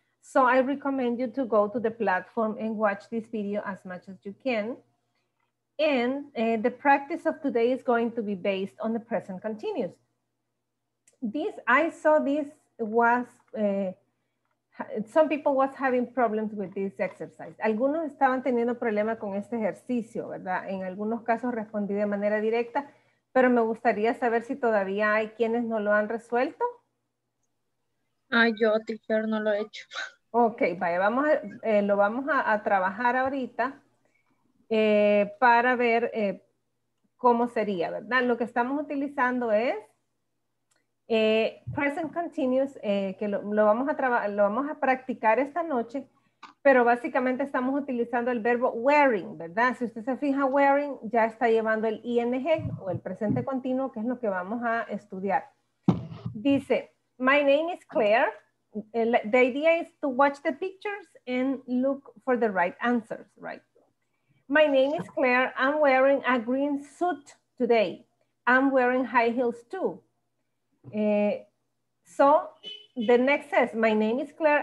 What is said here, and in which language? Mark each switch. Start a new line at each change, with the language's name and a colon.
English: So I recommend you to go to the platform and watch this video as much as you can. And the practice of today is going to be based on the present continuous. This, I saw this was, some people was having problems with this exercise.
Spanish: Algunos estaban teniendo problemas con este ejercicio, ¿verdad? En algunos casos respondí de manera directa, pero me gustaría saber si todavía hay quienes no lo han resuelto. Ay, yo, teacher, no lo he hecho. Ok, vaya, vamos a, lo vamos a trabajar ahorita para ver cómo sería, ¿verdad? Lo que estamos utilizando es present continuous, que lo vamos a practicar esta noche, pero básicamente estamos utilizando el verbo wearing, ¿verdad? Si usted se fija, wearing ya está llevando el ing o el presente continuo, que es lo que vamos a estudiar. Dice,
English: my name is Claire. The idea is to watch the pictures and look for the right answers, right? My name is Claire. I'm wearing a green suit today. I'm wearing high heels too. So the next says, my name is Claire.